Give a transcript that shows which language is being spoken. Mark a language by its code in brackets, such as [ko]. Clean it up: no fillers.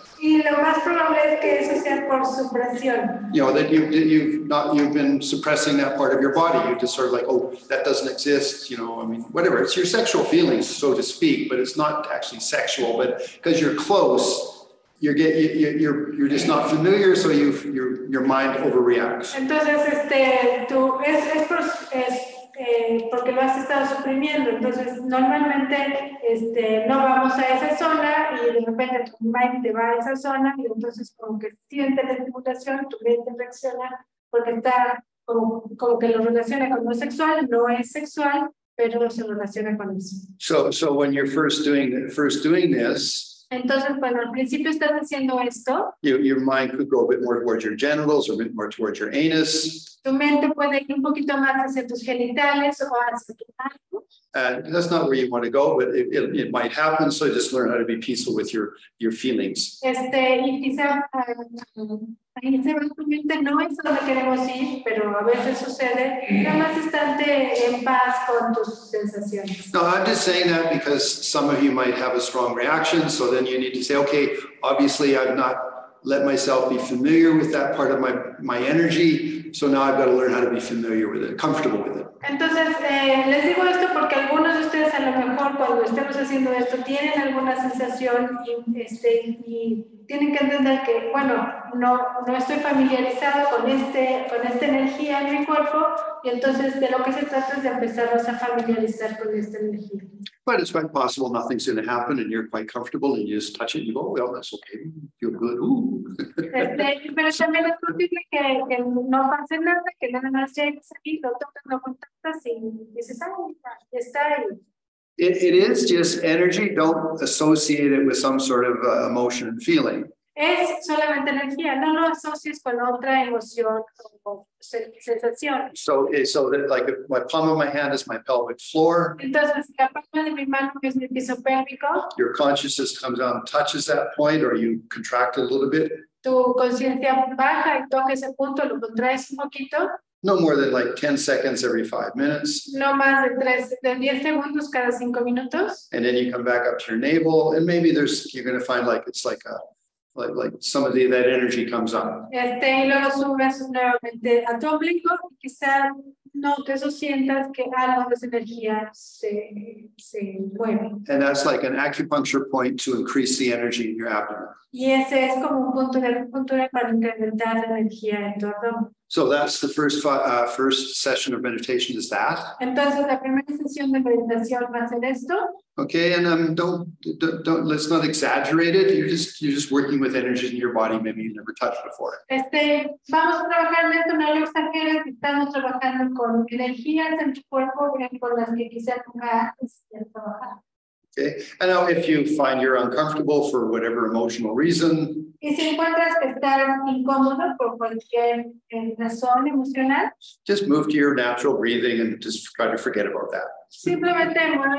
[es] Y lo más probable es que eso sea por supresión. [en] You know, that you've been suppressing that part of your body. You're just sort of like, oh, that doesn't exist, you know, I mean, whatever. It's your sexual feelings, so to speak, but it's not actually sexual, but because you're close, you're just not familiar, so your mind overreacts. [es] Entonces, porque lo has estado suprimiendo, entonces normalmente no vamos a esa zona y de repente tu mind te va a esa zona y entonces como que siente la estimulación, tu mente reacciona porque está como que lo relaciona con lo sexual, no es sexual, pero se relaciona con eso. [en] So when you're first doing this, [es] entonces cuando al principio estás haciendo esto, [en] your mind could go a bit more towards your genitals or a bit more towards your anus. [es] Tu mente puede ir un poquito más hacia tus genitales o hacia tu ano. [en] That's not where you want to go, but it might happen. So just learn how to be peaceful with your feelings. [es] Y quizá tu mente no es donde queremos ir, pero a veces sucede. Nada más estarte en paz con tus sensaciones. [en] No, I'm just saying that because some of you might have a strong reaction. So then you need to say, okay, obviously I'm not let myself be familiar with that part of my energy, so now I've got to learn how to be familiar with it, comfortable with it. [es] Entonces, les digo esto porque algunos de ustedes a lo mejor cuando estemos haciendo esto tienen alguna sensación y tienen que entender que, bueno, no estoy familiarizado con esta energía en mi cuerpo, y entonces de lo que se trata es de empezarnos a familiarizar con esta energía. [en] But it's quite possible nothing's going to happen and you're quite comfortable and you just touch it and you go, oh, well, that's okay. You're good. Ooh. [es] Pero también es posible que no pase nada, que nada más llegues ahí, lo tocas, lo contactas y dices, ah, está ahí. [en] It is just energy. Don't associate it with some sort of emotion and feeling. [es] Es solamente energía. No lo asocies con otra emoción o sensación. [en] So that, like, my palm of my hand is my pelvic floor. [es] Entonces, la palma de mi mano es mi piso pélvico. [en] Your consciousness comes out and touches that point, or you contract it a little bit. [es] Tu conciencia baja y toca ese punto, lo contraes un poquito. [en] No more than like 10 seconds every 5 minutes. [es] No más de 10 segundos cada 5 minutos. [en] And then you come back up to your navel, and maybe you're going to find like it's like a like some of that energy comes up. [es] Y luego subes nuevamente a tu ombligo y quizá notes o sientas que algo de esa energía se mueve. [en] And that's like an acupuncture point to increase the energy in your abdomen. [es] Y ese es como un punto de para incrementar la energía en tu abdomen. [en] So that's the first session of meditation is that. [es] Entonces, la primera sesión de meditación va a ser esto. [en] Okay, and don't let's not exaggerate it. You're just working with energy in your body maybe you've never touched before. [es] Vamos a trabajar en esto, no lo exageres. Estamos trabajando con energías en tu cuerpo con las que quizá nunca has trabajado. [en] Okay. And now if you find you're uncomfortable for whatever emotional reason, just move to your natural breathing and just try to forget about that.